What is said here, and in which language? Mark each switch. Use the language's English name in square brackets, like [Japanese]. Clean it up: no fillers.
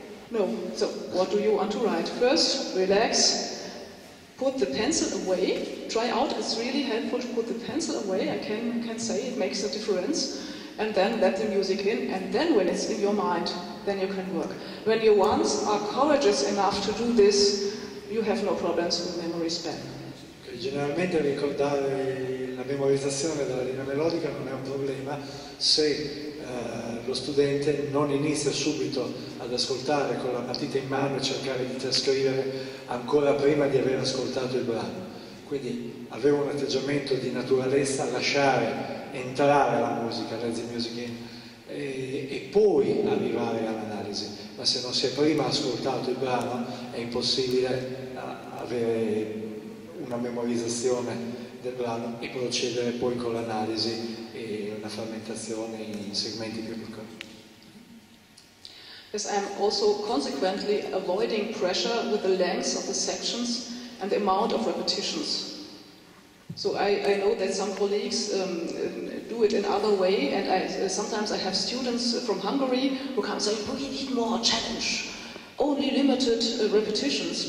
[English] No, so what do you want to write? First, relax, put the pencil away, try out, it's really helpful to put the pencil away, I can say it makes a difference. And then let the music in, and then when it's in your mind, then you can work. When you once are courageous enough to do this, you have no problems with memory span. [Italian] Okay, generalmente ricordare la memorizzazione della linea melodica non è un problema se lo studente non inizia subito ad ascoltare con la matita in mano e cercare di trascrivere ancora prima di aver ascoltato il brano. Quindi avere un atteggiamento di naturalezza, lasciare entrare la musica, [English] let the music in, [Italian] e poi arrivare all'analisi. Ma se non si è prima ascoltato il brano, è impossibile avere una memorizzazione del brano e procedere poi con l'analisi e una frammentazione in segmenti più piccoli. [English] Yes, I'm also consequently avoiding pressure with the length of the sections and the amount of repetitions. So I know that some colleagues do it in other way, and I sometimes have students from Hungary who come and say, we need more challenge, only limited repetitions.